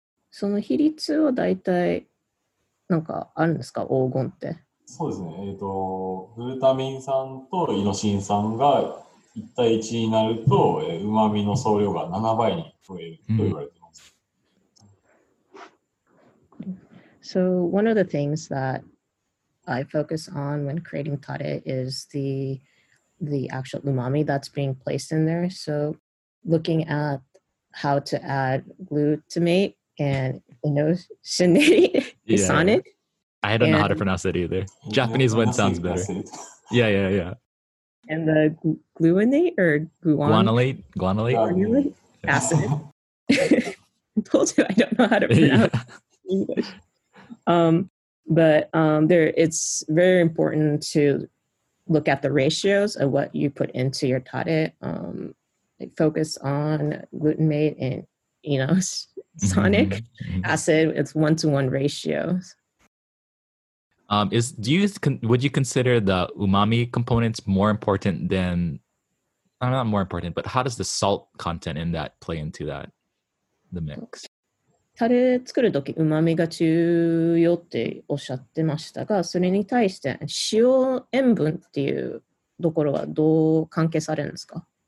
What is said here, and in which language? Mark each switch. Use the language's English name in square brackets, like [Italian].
[Japanese] その比率は大体なんかあるんですか、黄金って。そうですね、グルタミン酸とイノシン酸が1対1になると、うまみの総量が7倍に増えると言われています。 [English] So one of the things that I focus on when creating tare is the actual umami that's being placed in there. So looking at how to add glutamate and inosinate. I don't know how to pronounce that either. Japanese one sounds better. Yeah. And the gluonate or guanylate acid. I told you I don't know how to pronounce English. It's very important to look at the ratios of what you put into your tare. Focus on glutamate and inosinic acid. It's 1-to-1 ratios. Would you consider the umami components more important than, not more important, but how does the salt content in that play into that, the mix? [Japanese] タレ作るとき、うまみが重要っておっしゃってましたが、それに対して塩塩分っていうところはどう関係されるんですか？